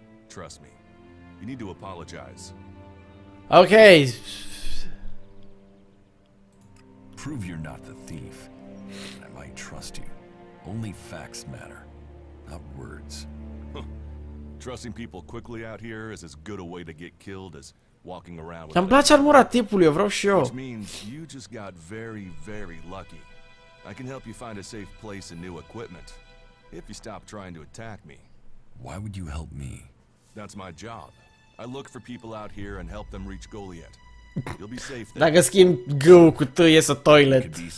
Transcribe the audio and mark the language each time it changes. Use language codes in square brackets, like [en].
[en] Trust me. You need to apologize. Okay. Prove you're not the thief. I might trust you. Only facts matter, not words. Trusting people quickly out here is as good a way to get killed as walking around with. [ro] Îmi place armura tipului, eu vreau și eu. [en] Which means you just got very, very lucky. I can help you find a safe place and new equipment. If you stop trying to attack me. Why would you help me? That's my job. I look for people out here and help them reach Goliath. You'll be safe there. [ro] Dacă schimb G-ul cu T, ies a toilet.